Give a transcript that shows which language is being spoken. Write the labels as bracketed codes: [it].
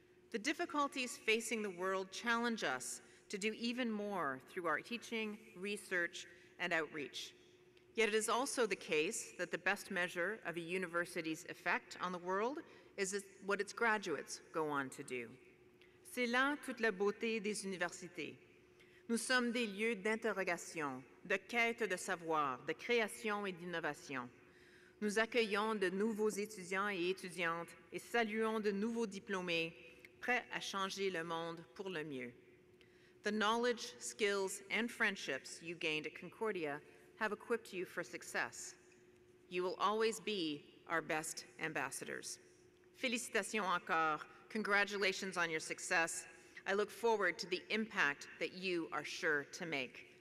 [en] The difficulties facing the world challenge us to do even more through our teaching, research, and outreach. Yet it is also the case that the best measure of a university's effect on the world is what its graduates go on to do. [fr] C'est là toute la beauté des universités. Nous sommes des lieux d'interrogation, de quête de savoir, de création et d'innovation. Nous accueillons de nouveaux étudiants et étudiantes et saluons de nouveaux diplômés prêts à changer le monde pour le mieux. [en] The knowledge, skills, and friendships you gained at Concordia have equipped you for success. You will always be our best ambassadors. [fr] Félicitations encore. [en] Congratulations on your success. I look forward to the impact that you are sure to make.